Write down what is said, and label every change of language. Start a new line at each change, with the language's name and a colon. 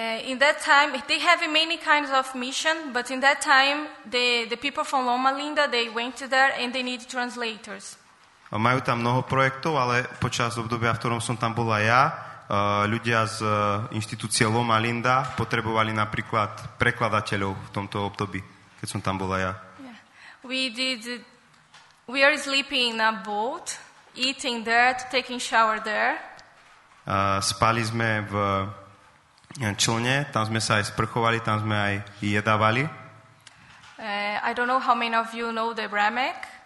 English: In that time they have many kinds of mission, but in that time the people from Loma Linda, they went there and they need translators.
Slovak: Majú tam mnoho projektov, ale počas obdobia, v ktorom som tam bola ja, ľudia z inštitúcie Loma Linda potrebovali napríklad prekladateľov v tomto období, keď som tam bola ja. Yeah.
English: We are sleeping in a boat, eating there, taking shower there.
Slovak: Spali sme v člne, tam sme sa aj sprchovali, tam sme aj jedávali.
English: I don't know how many of you know the Ramek.